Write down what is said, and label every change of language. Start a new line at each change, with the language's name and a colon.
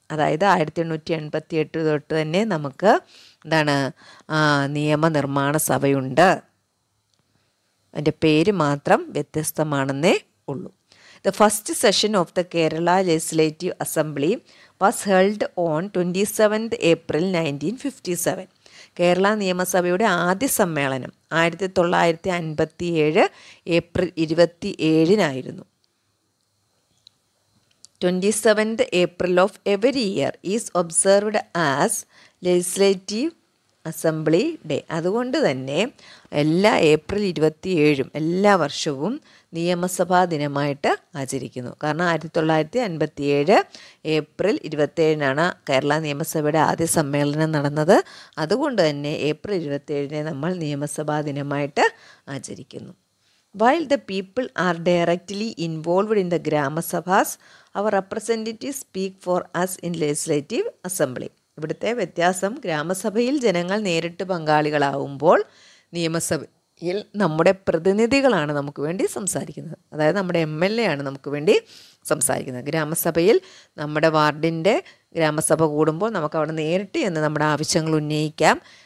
Malayalam: അതായത് 1888 തൊട്ട് തന്നെ നമുക്ക് എന്താണ് നിയമനിർമ്മാണ സഭയുണ്ട്. അതിൻ്റെ പേര് മാത്രം വ്യത്യസ്തമാണെന്നേ ഉള്ളൂ.
English: The first session of the Kerala legislative assembly was held on 27th April 1957.
Malayalam: Kerala നിയമസഭയുടെ ആദ്യ സമ്മേളനം
English: 1957 April 27 27th April of every year is observed as Legislative Assembly Day.
Malayalam: അതുകൊണ്ട് തന്നെ എല്ലാ April 27 എല്ലാ വർഷവും നിയമസഭാ ദിനമായിട്ട് ആചരിക്കുന്നു. കാരണം 1957 April 27 കേരള നിയമസഭയുടെ ആദ്യ സമ്മേളനം നടന്നത്. അതുകൊണ്ട് തന്നെ April 27 നമ്മൾ നിയമസഭാ ദിനമായിട്ട് ആചരിക്കുന്നു.
English: While the people are directly involved in the Grama Sabhas, our representatives speak for us in Legislative Assembly.
Malayalam: ഇവിടുത്തെ വ്യത്യാസം, ഗ്രാമസഭയിൽ ജനങ്ങൾ നേരിട്ട് പങ്കാളികളാവുമ്പോൾ നിയമസഭയിൽ നമ്മുടെ പ്രതിനിധികളാണ് നമുക്ക് വേണ്ടി സംസാരിക്കുന്നത്. അതായത് നമ്മുടെ MLA ആണ് നമുക്ക് വേണ്ടി സംസാരിക്കുന്നത്. ഗ്രാമസഭയിൽ നമ്മുടെ വാർഡിൻ്റെ ഗ്രാമസഭ കൂടുമ്പോൾ നമുക്ക് അവിടെ നേരിട്ട് ചെന്ന് നമ്മുടെ ആവശ്യങ്ങൾ ഉന്നയിക്കാം.